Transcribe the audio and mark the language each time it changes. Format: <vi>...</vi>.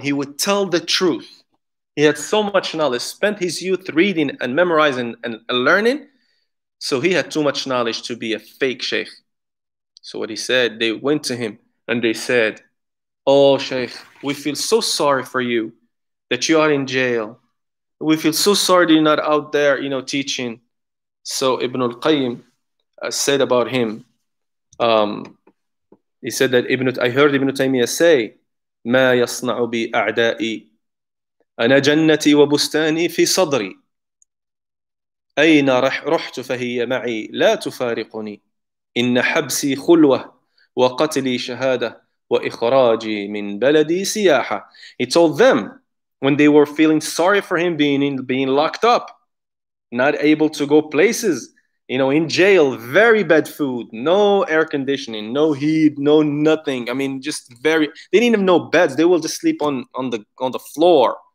<en>He would tell the truth. He had so much knowledge, spent his youth reading and memorizing and learning. So he had too much knowledge to be a fake sheikh. So what he said, they went to him and they said, oh, sheikh, we feel so sorry for you that you are in jail. We feel so sorry that you're not out there, you know, teaching. So Ibn al-Qayyim said about him, he said that, I heard Ibn Taymiyyah say,</en> <ar>مَا يَصْنَعُ بِي أَعْدَائِي أَنَا جَنَّتِي وَبُسْتَانِي فِي صَدْرِي أَيْنَ رُحْتُ فَهِيَّ مَعِي لَا تُفَارِقُنِي إِنَّ حَبْسِي خُلْوَةِ وَقَتْلِي شَهَادَةِ وَإِخْرَاجِي مِنْ بَلَدِي سِيَاحَةِ.</ar> <en>He told them, when they were feeling sorry for him being locked up, not able to go places, you know, in jail, very bad food, no air conditioning, no heat, no nothing. I mean, just very, they didn't have no beds. They will just sleep on the floor.</en>